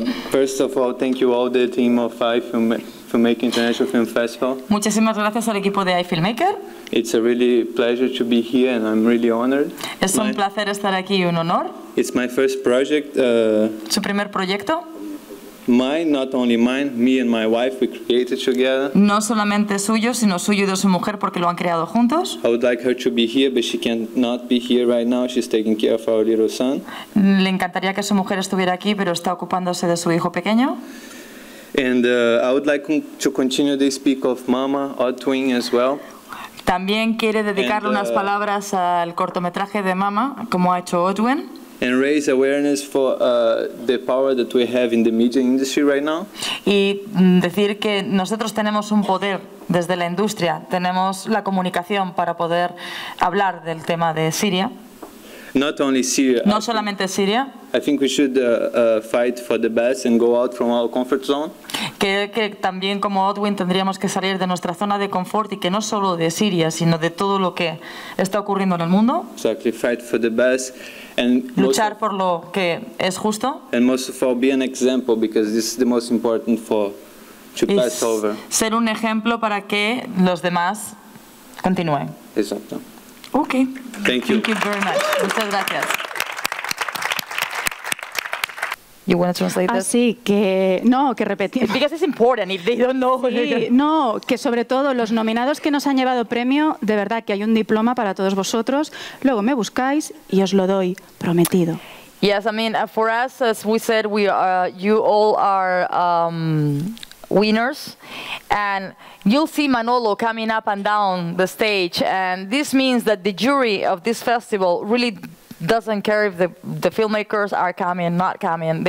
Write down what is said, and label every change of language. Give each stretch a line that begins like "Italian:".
English: First of all, thank you all the team of iFilmmaker International Film Festival.
Spanish: Muchísimas gracias al equipo de iFilmmaker.
English: It's a really pleasure to be here, and I'm really honored.
Spanish: Es un placer estar aquí, un honor.
English: It's my first project.
Spanish: Su primer proyecto.
English: Mine, not only mine, me and my wife, we created together.
Spanish: No solamente suyo, sino suyo y de su mujer, porque lo han creado juntos.
English: I would like her to be here, but she cannot be here right now. She's taking care of our little son.
Spanish: Le encantaría que su mujer estuviera aquí, pero está ocupándose de su hijo pequeño.
English: And I would like to continue to speak of Mama, our twin as well.
Spanish: También quiere dedicarle unas palabras al cortometraje de Mama, como ha hecho Odwin.
English: And raise awareness for the power that we have in the media industry right now.
Spanish: Y decir que nosotros tenemos un poder desde la industria, tenemos la comunicación para poder hablar del tema de Siria.
English: Not only Syria.
Spanish: No solamente Siria.
English: I think we should fight for the best and go out from our comfort zone.
Spanish: Que también como Odwin tendríamos que salir de nuestra zona de confort y que no solo de Siria, sino de todo lo que está ocurriendo en el mundo.
English: Exactly, fight for the best. And
Spanish: luchar por lo que es justo.
English: And most of all, be an example, because this is the most important for to pass over.
Spanish: Ser un ejemplo para que los demás continúen. Exacto.
English: Okay. Thank you. Thank you very much.
Spanish: Muchas gracias.
English: You want to translate this?
Spanish: Así que no, que repetimos.
English: Because it's important if they don't know.
Spanish: Sí, no, que sobre todo los nominados que nos han llevado premio, de verdad que hay un diploma para todos vosotros. Luego me buscáis y os lo doy, prometido.
English: Yes, I mean, for us, as we said, we are, you all are winners, and you'll see Manolo coming up and down the stage, and this means that the jury of this festival really doesn't care if the filmmakers are coming, not coming.